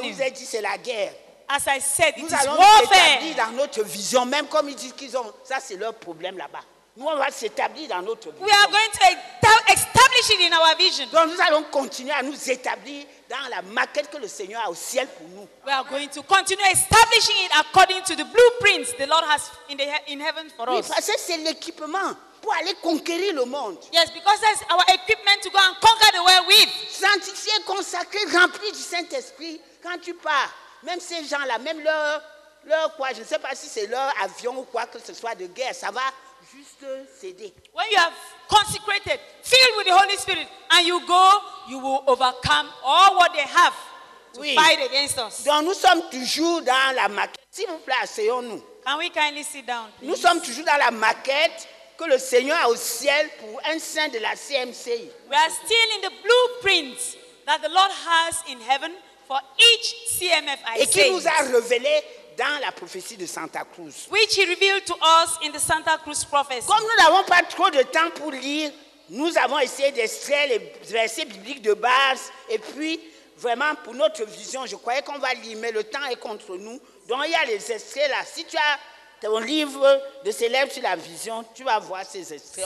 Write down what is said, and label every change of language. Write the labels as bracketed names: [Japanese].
[French] Comme je vous ai dit, c'est la guerre. [English] As I said, it [French] nous [English] is warfare. [French] Nous allons établir dans notre vision, même comme ils disent qu'ils ont. Ça, c'est leur problème là-bas. Nous, on va s'établir dans notre vision. [English] We are going to establish it in our vision. [French] Donc, nous allons continuer à nous établir dans la maquette que le Seigneur a au ciel pour nous. [English] We are going to continue establishing it according to the blueprints the Lord has in heaven for [French] oui, [English] us. [French] Oui, parce que c'est l'équipement pour aller conquérir le monde. [English] Yes, because that's our equipment to go and conquer the world with. [French] Sanctifié, consacré, rempli du Saint-Esprit, quand tu pars, même ces gens-là, même leur quoi, je ne sais pas si c'est leur avion ou quoi que ce soit de guerre, ça va juste céder. [English] When you have consecrated, filled with the Holy Spirit, and you go, you will overcome all what they have to [French] oui. [English] fight against us. [French] Donc nous sommes toujours dans la maquette. S'il vous plaît, asseyons-nous. [English] Can we kindly sit down, please? [French] Nous sommes toujours dans la maquette que le Seigneur a au ciel pour un saint de la CMCI. [English] We are still in the blueprint that the Lord has in heaven for each CMF I [French] et qui nous a révélé dans la prophétie de Santa Cruz. [English] Which he revealed to us in the Santa Cruz prophecy. [French] Comme nous n'avons pas trop de temps pour lire, nous avons essayé d'extraire les versets bibliques de base et puis vraiment pour notre vision, je croyais qu'on va lire, mais le temps est contre nous. Donc il y a les extraits là. Si tu as ton livre de célèbre sur la vision, tu vas voir ces extraits.